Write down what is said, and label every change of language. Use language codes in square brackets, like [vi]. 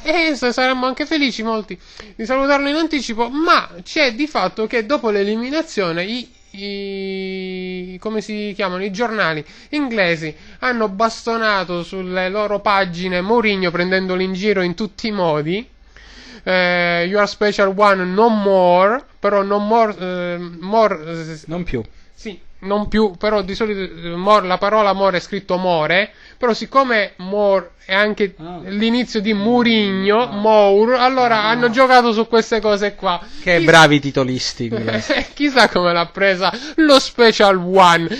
[it] E saremmo anche felici, molti, di salutarlo in anticipo. Ma c'è di fatto che dopo l'eliminazione come si chiamano, i giornali inglesi hanno bastonato sulle loro pagine Mourinho, prendendolo in giro in tutti i modi. [en] You are special one, no more. Però no more, more. [it] Non più. Sì, non più. Però di solito more, la parola more è scritto more. Però siccome more è anche l'inizio di Mourinho, Mour, allora hanno giocato su queste cose qua. Che bravi titolisti inglesi. Chissà come l'ha presa lo special one.